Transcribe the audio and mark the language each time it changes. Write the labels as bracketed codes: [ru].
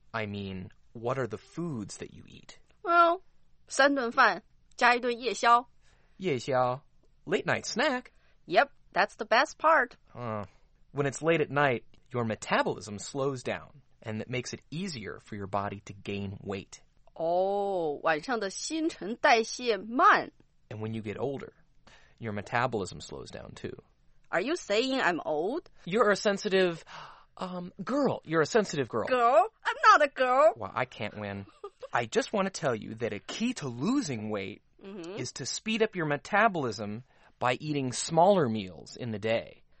[en] I mean, what are the foods that you eat? [zh] Well, 三顿饭加一顿夜宵。夜宵? [en] Late night snack? Yep, that's the best part. When it's late at night, your metabolism slows down, and it makes it easier for your body to gain weight. [zh] Oh, 晚上的新陈代谢慢。 [en] And when you get older, your metabolism slows down too. Are you saying I'm old? You're a sensitive, girl. You're a sensitive girl. Girl? I'm not a girl. Well, I can't win. I just want to tell you that a key to losing weight is to speed up your metabolism by eating smaller meals in the day.